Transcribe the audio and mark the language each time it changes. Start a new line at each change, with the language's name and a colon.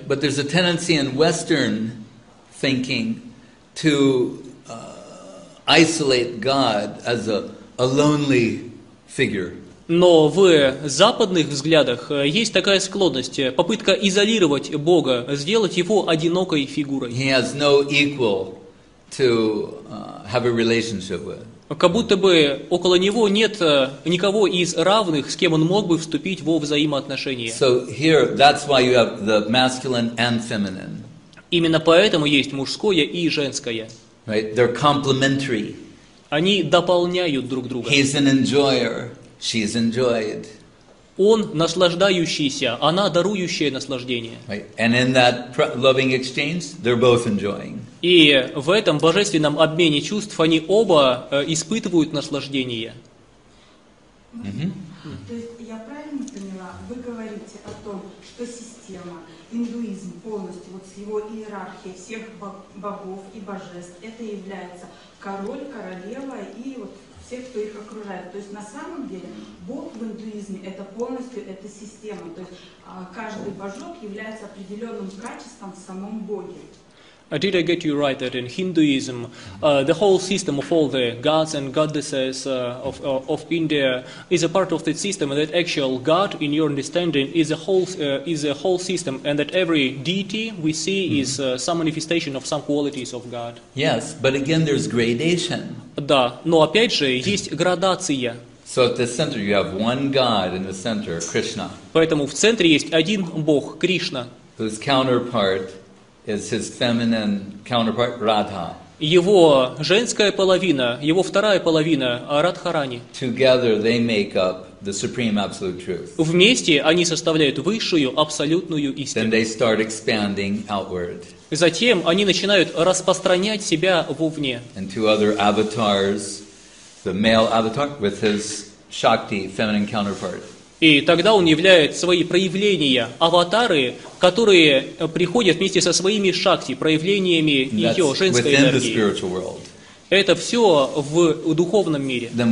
English: But there's a tendency in Western thinking to isolate God as a lonely figure.
Russian: Но в западных взглядах есть такая склонность, попытка изолировать Бога, сделать его одинокой фигурой.
English: He has no equal to have a relationship with.
Russian: Как будто бы около него нет никого из равных, с кем он мог бы вступить во взаимоотношения.
English: So here, that's why you have the masculine and feminine.
Russian: Именно поэтому есть мужское и женское.
English: Right, they're complementary.
Russian: Они дополняют друг друга.
English: He's an enjoyer, she's enjoyed.
Russian: Он наслаждающийся, она дарующая наслаждение.
English: Right, and in that loving exchange, they're both enjoying.
Russian: И в этом божественном обмене чувств они оба испытывают наслаждение. Mm-hmm. Mm-hmm. То есть я правильно поняла, вы говорите о том, что система, индуизм полностью, вот с его иерархией всех богов и божеств, это является король, королева и вот все, кто их окружает. То есть на самом деле Бог в индуизме это полностью эта система, то есть каждый божок является определенным качеством в самом Боге.
English: Did I get you right that in Hinduism, the whole system of all the gods and goddesses of India is a part of that system, and that actual God, in your understanding, is a whole system, and that every deity we see mm-hmm. is some manifestation of some qualities of God? Yes, but again, there's gradation.
Russian: Да, но опять же есть градация.
English: So at the center, you have one God in the center, Krishna.
Russian: Поэтому в центре есть один Бог, Кришна.
English: Whose counterpart is his feminine counterpart Radha.
Russian: Его женская половина, его вторая половина Радхарани.
English: Together they make up the supreme absolute truth.
Russian: Вместе они составляют высшую абсолютную истину.
English: Then they start expanding outward.
Russian: Затем они начинают распространять себя вовне.
English: And to other avatars, the male avatar with his Shakti feminine counterpart.
Russian: И тогда он являет свои проявления, аватары, которые приходят вместе со своими шакти, проявлениями ее женской энергии. Это все в духовном мире.